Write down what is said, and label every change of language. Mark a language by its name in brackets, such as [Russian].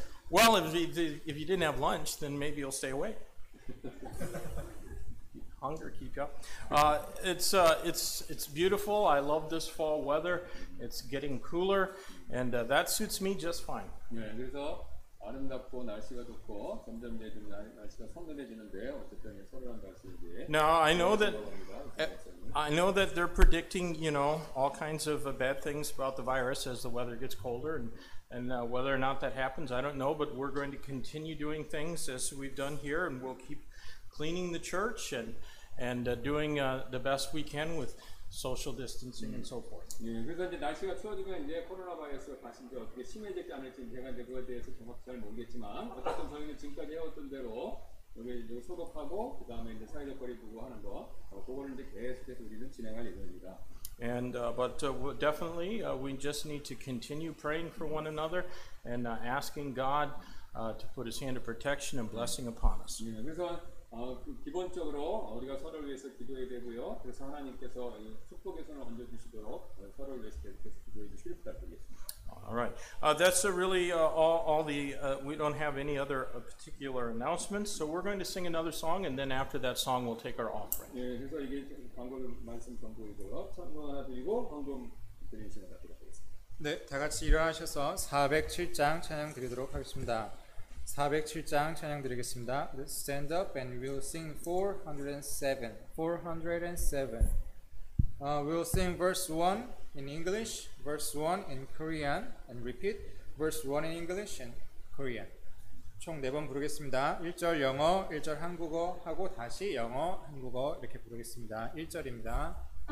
[English] Well, if you didn't have lunch, then maybe you'll stay away. Hunger keep you up. It's beautiful. I love this fall weather. It's getting cooler, and that suits me just fine. Yeah. [Korean] 아름답고 날씨가 좋고 점점 이제 날씨가 선선해지는데 어쨌든 선선한 날씨에. [English] Now I know that they're predicting, you know, all kinds of bad things about the virus as the weather gets colder, and whether or not that happens, I don't know. But we're going to continue doing things as we've done here, and we'll keep cleaning the church and doing the best we can with social distancing and so forth. [Korean] 예, 그래서 이제 날씨가 추워지면 이제 코로나 바이러스가 다시 이제 어떻게 심해질지 않을지 제가 이제 그거에 대해서 정확히 잘 모르겠지만 어쨌든 저희는 지금까지 해왔던 대로 여기 이제 소독하고 그 다음에 이제 사회적 거리 두고 하는 거 그거를 이제 계속해서 우리는 진행할 예정입니다. [English] And definitely we just need to continue praying for one another and asking God to put His hand of protection and blessing upon us. [Korean] 예, 그래서 기본적으로 우리가 서로를 위해서 기도해야 되고요. 그래서 하나님께서 축복의 손을 얹어 주시도록 서로를 위해서 계속 기도해 주시길 부탁드리겠습니다. [English] All right. That's really all the we don't have any other particular announcements. So we're going to sing another song and then after that song we'll take our offering. [Korean] 예, 그래서 이게 광고 말씀 전부이고요. 찬송 하나 드리고 광고 드리는 시간 갖도록 하겠습니다. 네, 다 같이 일어나셔서 407장 찬양 드리도록 하겠습니다. 407장 찬양 드리겠습니다. [English] Let's stand up and we'll sing 407. 407. We'll sing verse 1 in English, verse 1 in Korean, and repeat verse 1 in English and Korean. [Korean] 총 4번 부르겠습니다. 1절 영어, 1절 한국어 하고 다시 영어, 한국어 이렇게 부르겠습니다. 1절입니다.